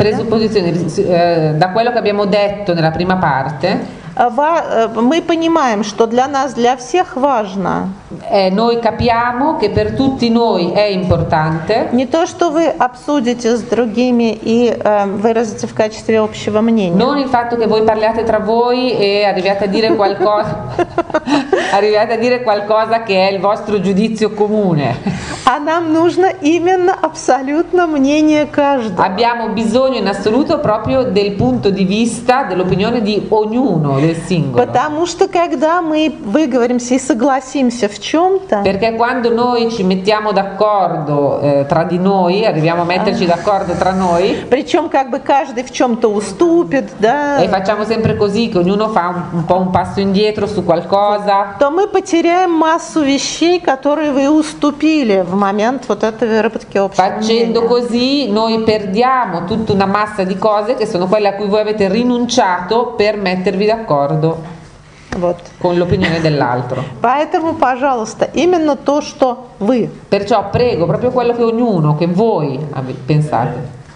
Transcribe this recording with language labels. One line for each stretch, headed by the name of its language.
Italian: presupposizioni, da quello che abbiamo detto nella prima parte,
Russian: мы понимаем, что для нас, для всех важно.
Italian: Noi capiamo che per tutti noi è importante.
Russian: Не то, что вы обсудите с другими и выразите в качестве общего мнения.
Italian: Non il fatto che voi parliate tra voi e arriviate a dire qualcosa che è il vostro giudizio comune.
Russian: А нам нужно именно абсолютно мнение каждого.
Italian: Abbiamo bisogno in assoluto proprio del punto di vista, dell'opinione di ognuno. singolo.
Russian: Потому что когда мы выговоримся и согласимся в чем-то.
Italian: Perché quando noi ci mettiamo d'accordo tra di noi, arriviamo a metterci d'accordo tra noi.
Russian: Причем как бы каждый в чем-то уступит, да.
Italian: E facciamo sempre così, che ognuno fa un po' un passo indietro su qualcosa.
Russian: То мы потеряем массу вещей, которые вы уступили в момент вот этого выработки общего.
Italian: Facendo così noi perdiamo tutta una massa di cose che sono quelle a cui voi avete rinunciato per mettervi d'accordo вот. Con l'opinione dell'altro.
Russian: Поэтому, пожалуйста, именно то, что вы.
Italian: Perciò prego, proprio quello che ognuno, che voi pensate.